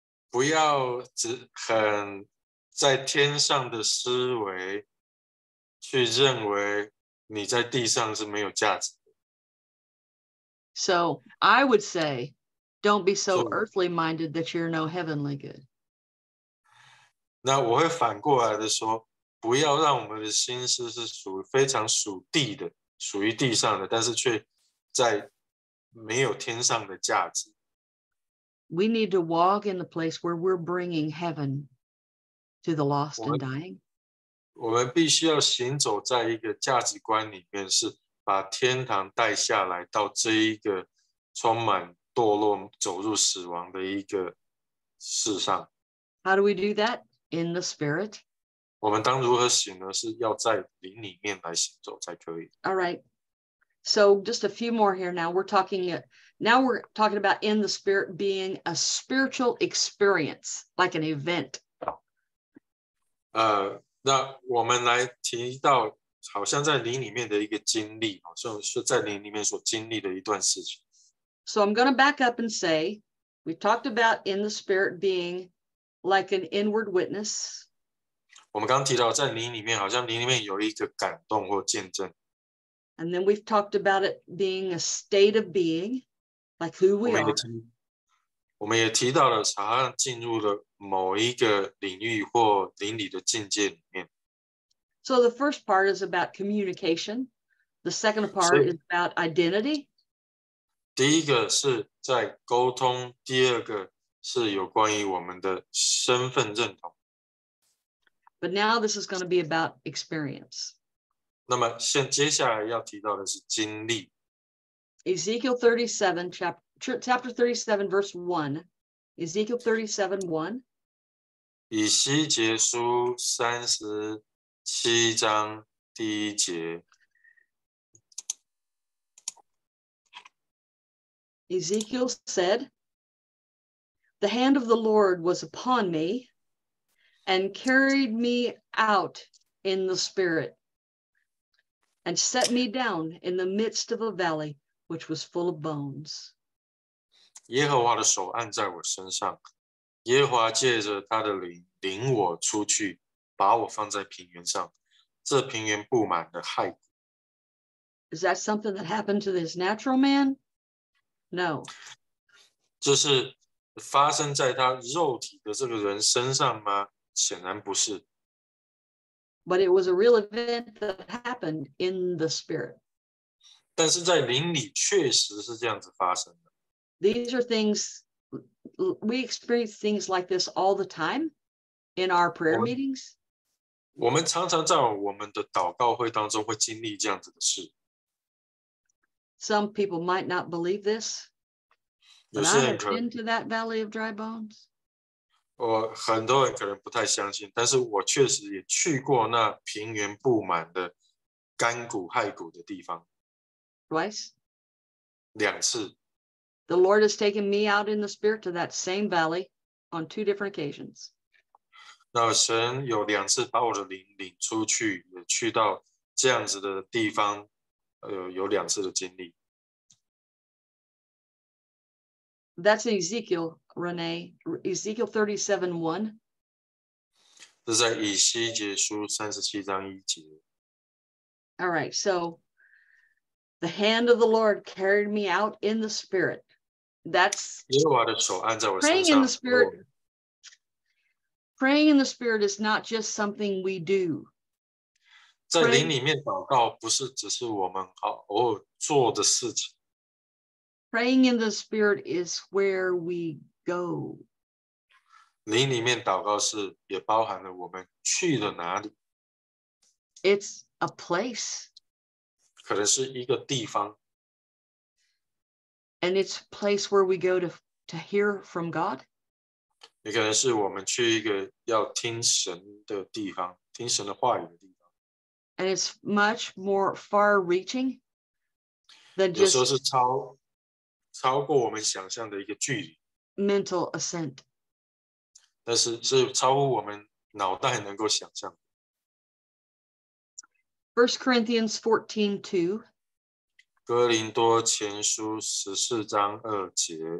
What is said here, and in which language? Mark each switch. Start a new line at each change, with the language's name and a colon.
Chinese: 不要只很在天上的思维去认为你在地上是没有价值的。
English: So I would say, don't be so earthly minded that you're no heavenly good.
Chinese: 那我会反过来的说，不要让我们的心思是属非常属地的，属于地上的，但是却在没有天上的价值。
English: We need to walk in the place where we're bringing heaven to the lost and dying.
Chinese: 我们必须要行走在一个价值观里面，是把天堂带下来到这一个充满堕落、走入死亡的一个世上。
English: How do we do that? In the Spirit.
Chinese: 我们当如何行呢？是要在灵里面来行走才可以。
English: All right. So just a few more here now. Now we're talking about in the Spirit being a spiritual experience, like an event.
Chinese: 那我们来提到好像在灵里面的一个经历，好像是在灵里面所经历的一段事情。
English: So I'm going to back up and say, we talked about in the Spirit being like an inward witness.
Chinese: 我们刚提到在灵里面好像灵里面有一个感动或见证。
English: And then we've talked about it being a state of being, like who we are.
Chinese: 我们也提到了好像进入了某一个领域或灵里的境界里面。
English: So the first part is about communication. The second part is about identity.
Chinese: 第一个是在沟通，第二个是有关于我们的身份认同。
English: But now this is going to be about experience.
Chinese: 那么现接下来要提到的是经历。
English: Ezekiel 37, chapter 37, verse 1. Ezekiel 37,
Chinese: 1. 以西结书三十七章第一节。
English: Ezekiel said, the hand of the Lord was upon me. And carried me out in the spirit and set me down in the midst of a valley which was full of bones.
Chinese: 耶和华的手按在我身上，耶和华借着他的灵领我出去，把我放在平原上，这平原布满了骸骨。
English: Is that something that happened to this natural man? No.
Chinese: 这是发生在他肉体的这个人身上吗？显然不是。
English: But it was a real event that happened in the spirit.
Chinese: 但是在灵里确实是这样子发生的。
English: These are things, we experience things like this all the time in our prayer meetings.
Chinese: 我们常常在我们的祷告会当中会经历这样子的事。
English: Some people might not believe this, but I have been to that valley of dry bones.
Chinese: 我很多人可能不太相信，但是我确实也去过那平原布满的干骨骸骨的地方。
English: Twice?
Chinese: 两次。
English: The Lord has taken me out in the spirit to that same valley on two different occasions.
Chinese: 那神有两次把我的灵领出去，也去到这样子的地方，有两次的经历。
English: That's Ezekiel, Renee. Ezekiel 37:1.
Chinese: 这是在以西结书37章1节。
English: All right. So the hand of the Lord carried me out in the spirit. That's praying in the spirit. Praying in the spirit is not just something we do.
Chinese: 在灵里面祷告不是只是我们好偶尔做的事情。
English: Praying in the spirit is where we go.
Chinese: 灵里面祷告是也包含了我们去了哪里。
English: It's a place.
Chinese: 可能是一个地方。
English: And it's a place where we go to hear from God.
Chinese: 也可能是我们去一个要听神的地方，听神的话语的地方。
English: And it's much more far-reaching than just mental ascent.
Chinese: 但是是超乎我们脑袋能够想象的。
English: 1 Corinthians 14:2.
Chinese: 哥林多前书十四章二节。